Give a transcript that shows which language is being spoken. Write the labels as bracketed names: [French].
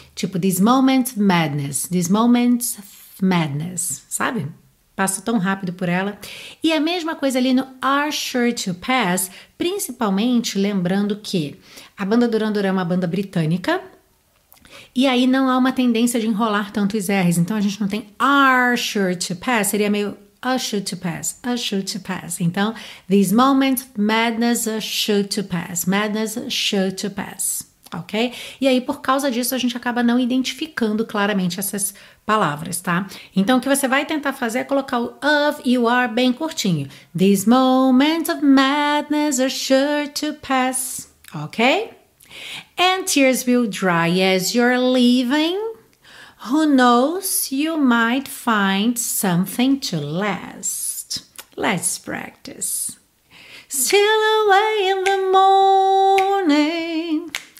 [Portuguese] Tipo, [English] this moment madness, [Portuguese] sabe? Passo tão rápido por ela. E a mesma coisa ali no [English] are sure to pass, [Portuguese] principalmente lembrando que a banda Duran Duran é uma banda britânica, e aí não há uma tendência de enrolar tanto os R's. Então, a gente não tem [English] are sure to pass. [Portuguese] Seria meio [English] are sure to pass. [Portuguese] Então, [English] these moments, madness are sure to pass. Madness are sure to pass. Ok? [Portuguese] E aí, por causa disso, a gente acaba não identificando claramente essas palavras, tá? Então, o que você vai tentar fazer é colocar o of e o are bem curtinho. [English] These moments of madness are sure to pass. Ok? And tears will dry as you're leaving. Who knows, you might find something to last. Let's practice. Steal away in the morning.